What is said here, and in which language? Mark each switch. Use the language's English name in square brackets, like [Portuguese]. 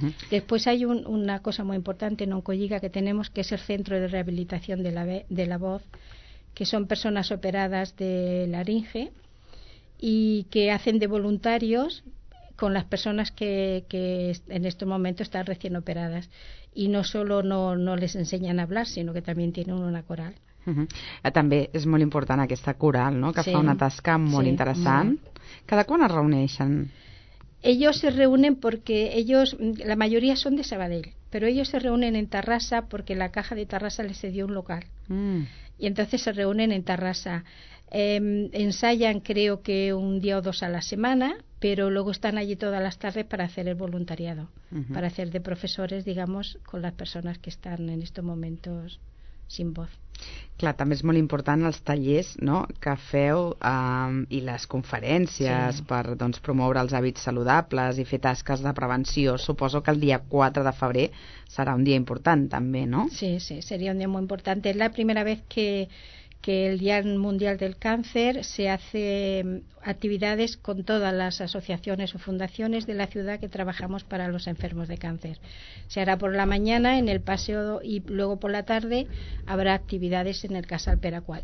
[Spanish] Después hay una cosa muy importante en Oncolliga que tenemos, que es el Centro de Rehabilitación de la Voz, que son personas operadas de laringe, y que hacen de voluntarios con las personas que en estos momentos están recién operadas. Y no solo no les enseñan a hablar, sino que también tienen una coral. [Catalan] També és molt important aquesta coral, no?, que sí, fa una tasca molt interessant. Cada quan es reuneixen? [Spanish] Ellos se reúnen porque ellos, la mayoría son de Sabadell, pero ellos se reúnen en Tarrasa porque la Caja de Tarrasa les cedió un local. Y entonces se reúnen en Tarrasa. Ensayan creo que un día o dos a la semana, pero luego están allí todas las tardes para hacer el voluntariado, para hacer de profesores, digamos, con las personas que están en estos momentos sin voz. [Catalan] Clar, també és molt important els tallers, no?, que feu i les conferències, sí, per doncs, promoure els hàbits saludables i fer tasques de prevenció. Suposo que el dia 4 de febrer serà un dia important també, no? Sí, sí, seria un dia molt important. És la primera vegada que [Spanish] el Día Mundial del Cáncer se hace actividades con todas las asociaciones o fundaciones de la ciudad que trabajamos para los enfermos de cáncer. Se hará por la mañana en el paseo y luego por la tarde habrá actividades en el Casal Peracual.